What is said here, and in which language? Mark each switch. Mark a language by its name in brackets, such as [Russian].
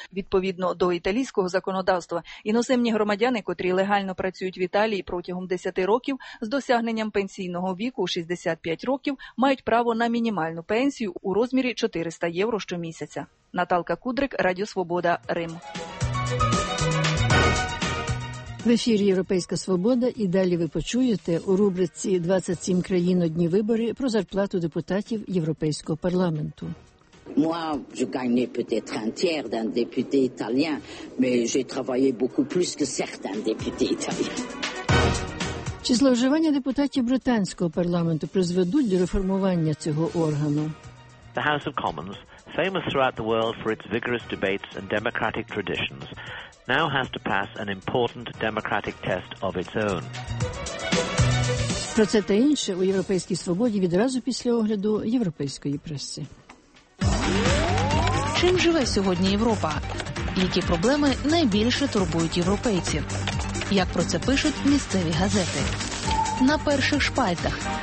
[Ukrainian] Відповідно до італійського законодавства, іноземні громадяни, котрі легально працюють в Італії протягом 10 років, з досягненням пенсійного віку 65 років, мають право на мінімальну пенсію у розмірі 400 євро щомісяця. Наталка Кудрик, Радіо Свобода, Рим. В ефірі «Європейська свобода» і далі ви почуєте у рубриці «27 країн, одні вибори» про зарплату депутатів Європейського парламенту. [French] Moi, je gagne peut-être un tiers d'un député italien, mais j'ai travaillé beaucoup plus que certains députés italiens. [Ukrainian] Чи зловживання депутатів британського парламенту призведуть до реформування цього органу? [English] The House of Commons, famous throughout the world for its vigorous debates and democratic traditions, now has to pass an important democratic test of its own. [Ukrainian] Про це та інше у Європейській свободі відразу після огляду європейської преси. Чим живе сьогодні Європа? Які проблеми найбільше турбують європейців? Як про це пишуть місцеві газети? На перших шпальтах.